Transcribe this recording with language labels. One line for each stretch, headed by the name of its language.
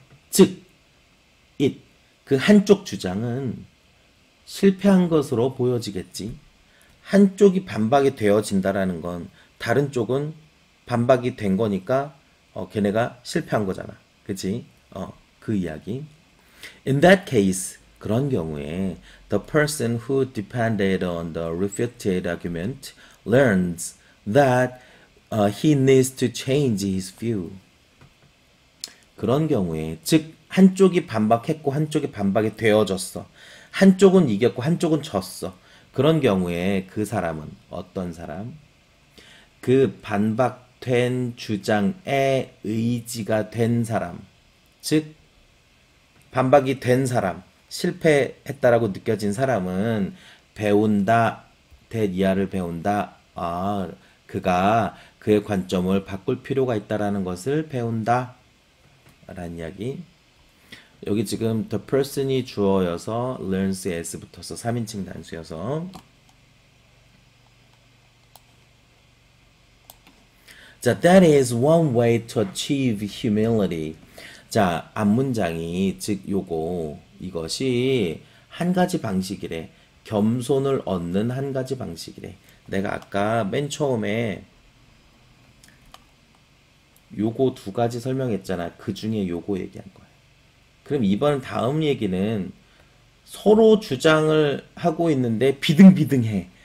Korean: 즉, it, 그 한쪽 주장은 실패한 것으로 보여지겠지. 한쪽이 반박이 되어진다라는 건 다른 쪽은 반박이 된 거니까 걔네가 실패한 거잖아. 그치? 그 이야기.
English: In that case,
Korean: 그런 경우에
English: the person who depended on the refuted argument learns that he needs to change his view.
Korean: 그런 경우에, 즉, 한쪽이 반박했고, 한쪽이 반박이 되어졌어. 한쪽은 이겼고, 한쪽은 졌어. 그런 경우에 그 사람은, 어떤 사람? 그 반박된 주장에 의지가 된 사람. 즉, 반박이 된 사람. 실패했다라고 느껴진 사람은 배운다. 된 이하를 배운다. 아, 그가 그의 관점을 바꿀 필요가 있다라는 것을 배운다. 라는 이야기. 여기 지금 the person이 주어여서 learns s부터서 3인칭 단수여서.
English: 자, that is one way to achieve humility.
Korean: 자, 앞 문장이 즉 요거 이것이 한 가지 방식이래. 겸손을 얻는 한 가지 방식이래. 내가 아까 맨 처음에 요거 두 가지 설명했잖아. 그 중에 요거 얘기한 거야. 그럼 이번 다음 얘기는 서로 주장을 하고 있는데 비등비등해.